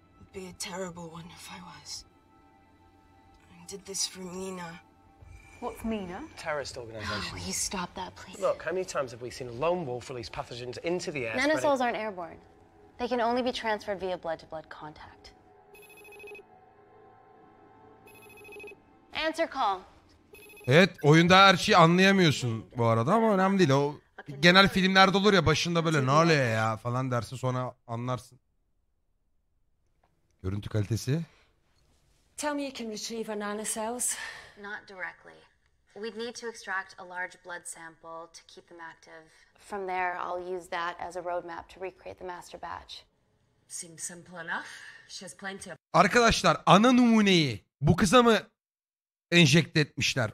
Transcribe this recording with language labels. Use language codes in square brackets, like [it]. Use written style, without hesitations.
[en] It'd be a terrible one if I was. I did this for Mina. What's Mina? Terrorist organization. Oh, you stop that, please. Look, how many times have we seen a lone wolf release pathogens into the air? Nanocells spreading... aren't airborne. They can only be transferred via blood-to-blood contact. Answer call. [tr] Evet, oyunda her şeyi anlayamıyorsun bu arada ama önemli değil. O genel filmlerde olur ya, başında böyle ne oluyor ya falan dersin, sonra anlarsın. Görüntü kalitesi. [en] Tell me you can retrieve our nanocells. Not directly. We'd need to extract a large blood sample to keep them active. From there, I'll use that as a roadmap to recreate the master batch. Seems simple enough. She has plenty of... [tr] Arkadaşlar, ana numuneyi bu kıza mı enjekte etmişler?